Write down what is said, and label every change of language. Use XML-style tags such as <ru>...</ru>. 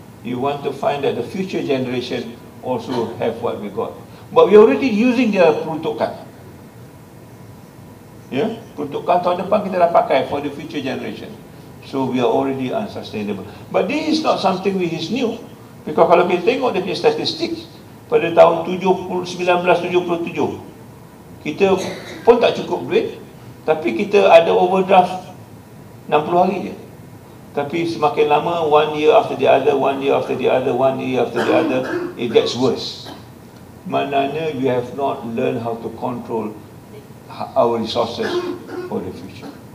<en>You want to find that the future generation also have what we got. But we already using their peruntukan.</en> <ms>Yeah? Peruntukan tahun depan kita dah pakai</ms> <en>for the future generation. So we are already unsustainable. But this is not something which is new.</en> <ms>Because kalau kita tengok dari statistics, pada tahun 1977, kita pun tak cukup duit. Tapi kita ada overdraft 60 hari je. Tapi semakin lama,</ms> <en>one year after the other, one year after the other, one year after the other, it gets worse.</en> <ms>Maknanya,</ms> <en>we have not learned how to control our resources for the future.</en>